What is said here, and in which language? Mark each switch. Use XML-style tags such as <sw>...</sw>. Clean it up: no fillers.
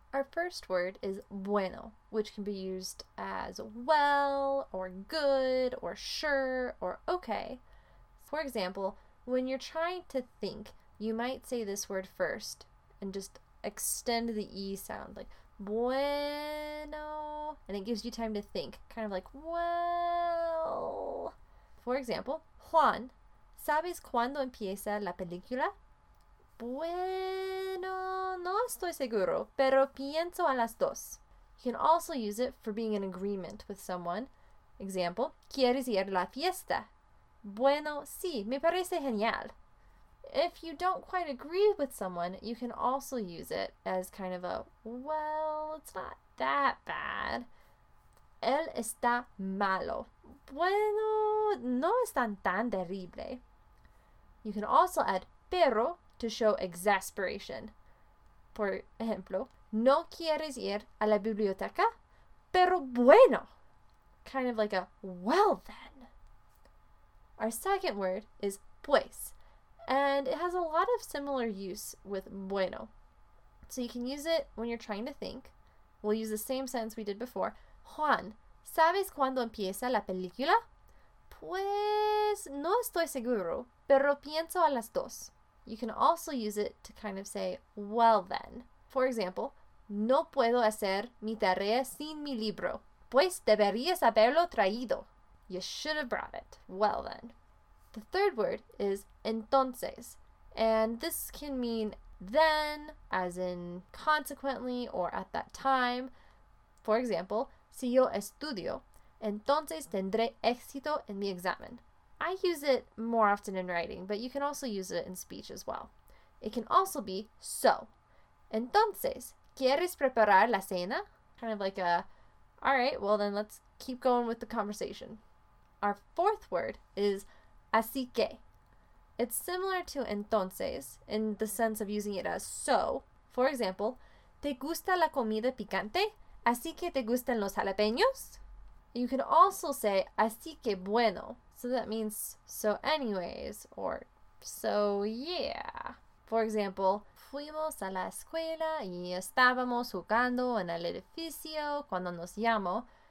<en>Our first word is bueno, which can be used as well or good or sure or okay. For example, when you're trying to think, you might say this word first and just extend the E sound like bueno, and it gives you time to think, kind of like well.</en> <es>For example, Juan, ¿sabes cuándo empieza la película? Bueno, no estoy seguro, pero pienso a las dos.</es> <en>You can also use it for being in agreement with someone. Example,</en> <es>¿quieres ir a la fiesta? Bueno, sí, me parece genial.</es> <en>If you don't quite agree with someone, you can also use it as kind of a, well, it's not that bad.</en> <es>Él está malo. Bueno, no es tan terrible.</es> <en>You can also add pero to show exasperation. For</en> <es>ejemplo, no quieres ir a la biblioteca, pero bueno.</es> <en>Kind of like a well then. Our second word is pues, and it has a lot of similar use with bueno. So you can use it when you're trying to think. We'll use the same sentence we did before.</en> <es>Juan, ¿sabes cuándo empieza la película? Pues no estoy seguro, pero pienso a las dos.</es> <en>You can also use it to kind of say, well then. For example,</en> <es>no puedo hacer mi tarea sin mi libro. Pues deberías haberlo traído.</es> <en>You should have brought it. Well then. The third word is entonces, and this can mean then, as in consequently or at that time. For example,</en> <es>si yo estudio, entonces tendré éxito en mi examen.</es> <en>I use it more often in writing, but you can also use it in speech as well. It can also be so.</en> <es>Entonces, ¿quieres preparar la cena?</es> <en>Kind of like a, all right, well then let's keep going with the conversation. Our fourth word is así que. It's similar to entonces in the sense of using it as so. For example,</en> <es>¿te gusta la comida picante? Así que te gustan los jalapeños?</es> <en>You can also say,</en> <es>así que bueno.</es> <en>So that means, so anyways, or so yeah. For example,</en> <es>fuimos a la escuela y estábamos jugando en el edificio cuando nos llamó.</es>